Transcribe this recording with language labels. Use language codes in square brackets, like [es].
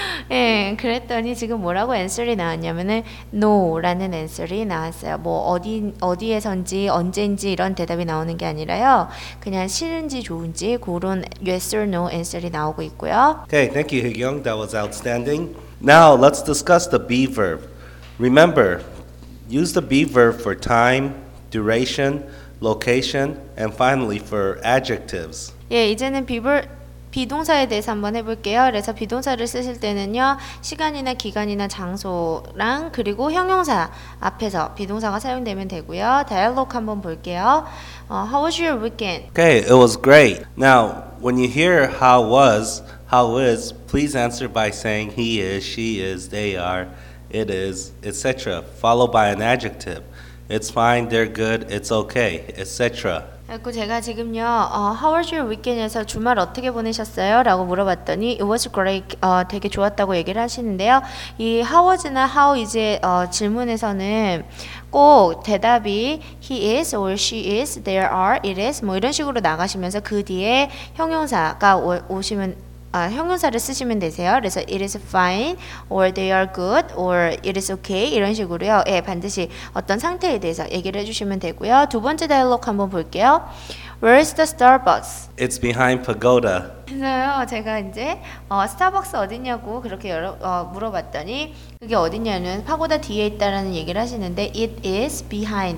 [ko] 예, 그랬더니 지금 뭐라고 answer이 나왔냐면은 no라는 answer이 나왔어요. 뭐 어디에선지 언제인지 이런 대답이 나오는 게 아니라요. 그냥 싫은지 좋은지 그런 yes or no answer이 나오고 있고요. [en] Okay, thank you, Hyeong. That was outstanding. Now let's discuss the be verb. Remember, use the be verb for time, duration, location, and finally for adjectives. [ko] 예, 이제는 비동사에 대해서 한번 해볼게요. 그래서 비동사를 쓰실 때는요, 시간이나 기간이나 장소랑 그리고 형용사 앞에서 비동사가 사용되면 되고요. 다이얼로그 한번 볼게요. [en] How was your weekend? Okay, it was great. Now, when you hear how was, how is, please answer by saying he is, she is, they are, it is, etc. followed by an adjective. It's fine, they're good, it's okay, etc. [ko] 그리고 제가 지금요, [en] How was your weekend [ko] 에서 주말 어떻게 보내셨어요? 라고 물어봤더니 [en] It was great, [ko] 되게 좋았다고 얘기를 하시는데요. 이 How was나 How is의 질문에서는 꼭 대답이 [en] He is, or she is, there are, it is [ko] 뭐 이런 식으로 나가시면서 그 뒤에 형용사가 오시면 형용사를 쓰시면 되세요. [en] 그래서 it is fine, or they are good, or it is okay [ko] 이런 식으로요. 예, 반드시 어떤 상태에 대해서 얘기를 해주시면 되고요. 두 번째 대화 한번 볼게요. [en] Where is the Starbucks? It's behind Pagoda. [ko] 그래서요, 제가 이제 스타벅스 어디냐고 그렇게 물어봤더니 그게 어디냐는 파고다 뒤에 있다라는 얘기를 하시는데 [en] it is behind.